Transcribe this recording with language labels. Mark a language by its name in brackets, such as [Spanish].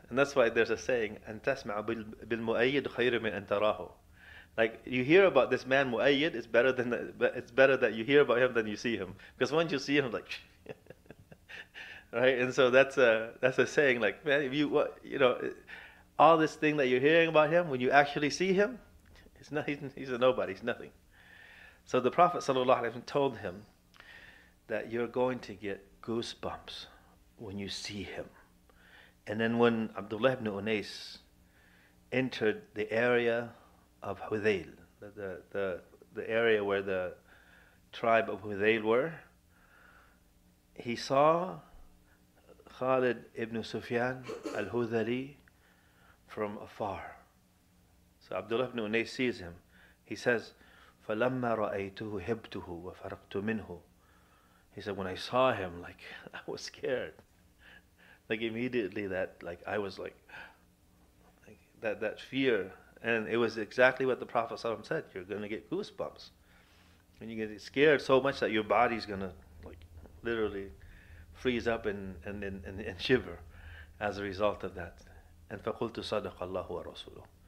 [English] And that's why there's a saying, [Arabic] "أن تسمع بالمؤيد خير من أن تراه." [English] Like you hear about this man Mu'ayyid, it's better that you hear about him than you see him, because once you see him, like. Right, and so that's a saying. Like, man, if you all this thing that you're hearing about him, when you actually see him, He's a nobody. He's nothing. So the Prophet sallallahu alaihi wasallam told him that you're going to get goosebumps when you see him. And then when Abdullah ibn Unais entered the area of Hudhayl, the area where the tribe of Hudhayl were, he saw Khalid ibn Sufyan al-Hudhali from afar. So Abdullah ibn Unais sees him. He says, [Arabic] فَلَمَّا رَأَيْتُهُ هِبْتُهُ وَفَرَقْتُ مِنْهُ. [English] He said, when I saw him, like, I was scared. Like, immediately that, like, I was like that fear. And it was exactly what the Prophet ﷺ said. You're going to get goosebumps. And you get scared so much that your body's going to, like, literally freeze up and shiver as a result of that. And [Arabic] فَقُلْتُ صَدَقَ اللَّهُ وَرَسُولُهُ.